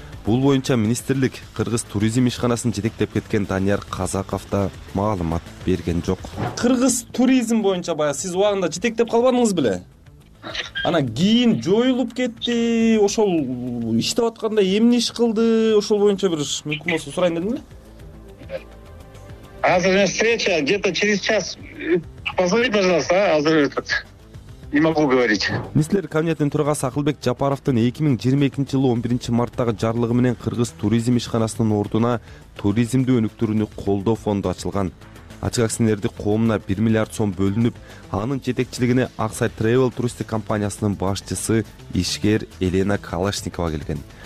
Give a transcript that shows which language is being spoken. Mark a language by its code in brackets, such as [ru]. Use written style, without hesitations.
[ky] Бул боюнча министрлик кыргыз туризм ишканасын жетектеп кеткен Данияр Казаков да маалымат берген жок. Кыргыз туризм боюнча бая сиз убагында жетектеп калбадыңыз беле? Анан кийин жоюлуп кетти, ошол иштеп атканда эмне иш кылды, ошол боюнча бир мүмкүн болсо сурайын дедим беле? [ru] Азыр встреча где-то через час. Позвони, пожалуйста, азыр этот. Не могу говорить. [ky] Министр кабинетинин төрагасы Акылбек Жапаровдун 2022 жылы 11 марттагы жарлыгы менен кыргыз туризм ишканасынын ордуна туризмди өнүктүрүүнү колдоо фонду ачылган. Ачык акционерлик коомуна 1 миллиард сом бөлүнүп, анын жетекчилигине Аксай Travel туристтик компаниясынын башчысы ишкер Елена Калашникова келген.